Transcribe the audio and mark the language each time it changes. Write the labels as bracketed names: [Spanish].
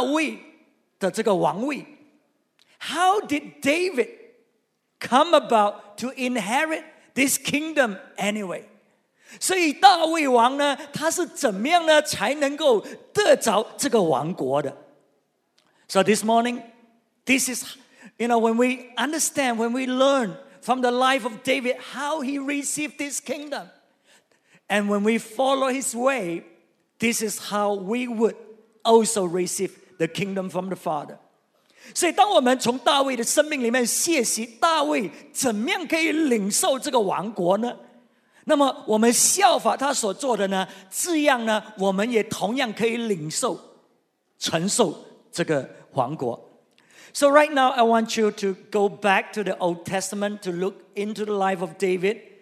[Chinese] 为什么神呢要给他的儿子这个大卫的这个王位? [English] How did David come about to inherit this kingdom anyway? [Chinese] 所以大卫王呢，他是怎么样呢，才能够得着这个王国的？ [English] So this morning, this is, you know, when we understand, when we learn from the life of David, how he received this kingdom, And when we follow his way, this is how we would also receive the kingdom from the Father. [Chinese] 所以当我们从大卫的生命里面学习大卫怎么样可以领受这个王国呢? 那么我们效法他所做的呢,这样呢,我们也同样可以领受,承受这个王国。 [English] So right now, I want you to go back to the Old Testament to look into the life of David.